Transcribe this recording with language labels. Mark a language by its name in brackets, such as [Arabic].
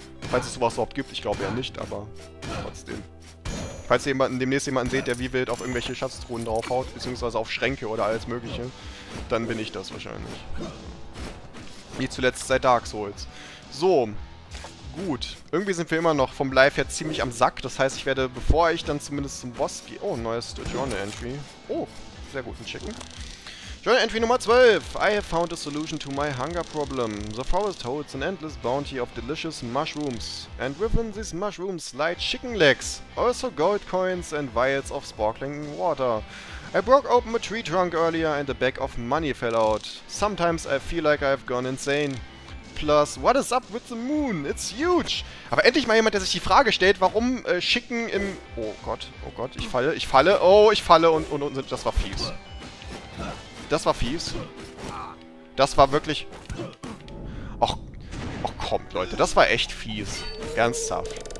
[German] Falls es sowas überhaupt gibt, ich glaube ja nicht, aber trotzdem. Falls ihr demnächst jemanden seht, der wie wild auf irgendwelche Schatztruhen draufhaut, beziehungsweise auf Schränke oder alles mögliche, dann bin ich das wahrscheinlich. Wie zuletzt seit Dark Souls. So. Gut, irgendwie sind wir immer noch vom Live her ziemlich am Sack. Das heißt, ich werde, bevor ich dann zumindest zum Boss gehe... Oh, neues Journal Entry. Oh, sehr gut, ein Chicken. Journal Entry Nummer 12. [English] I have found a solution to my hunger problem. The forest holds an endless bounty of delicious mushrooms. And within these mushrooms lie chicken legs. Also gold coins and vials of sparkling water. I broke open a tree trunk earlier and a bag of money fell out. Sometimes I feel like I've gone insane. Plus, what is up with the moon? It's huge! [German] Aber endlich mal jemand, der sich die Frage stellt, warum Chicken im... Oh Gott, ich falle und das war fies. Das war fies. Das war wirklich... Ach, kommt, Leute, das war echt fies. Ernsthaft.